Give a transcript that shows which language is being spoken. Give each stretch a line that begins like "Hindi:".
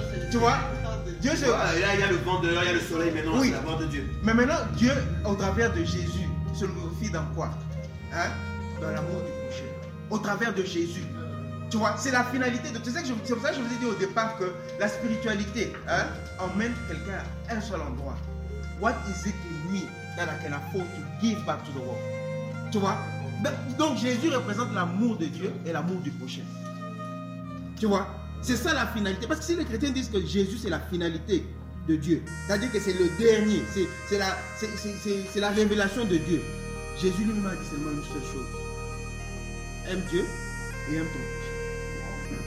French: Tu vois, là, il y a le vent dehors, il y a le soleil, maintenant, oui. C'est la gloire de Dieu. Mais maintenant, Dieu, au travers de Jésus, se glorifie dans quoi? Hein? Dans l'amour du prochain. Au travers de Jésus. Tu vois, c'est la finalité. De... Tu sais que je... C'est pour ça que je vous ai dit au départ que la spiritualité emmène quelqu'un à un seul endroit.
English: What is it in me that I can afford to give back to the world?
French: Tu vois? Donc Jésus représente l'amour de Dieu et l'amour du prochain. Tu vois, c'est ça la finalité. Parce que si les chrétiens disent que Jésus c'est la finalité de Dieu, c'est-à-dire que c'est le dernier, c'est la révélation de Dieu. Jésus lui-même a dit seulement une seule chose: aime Dieu et aime ton prochain.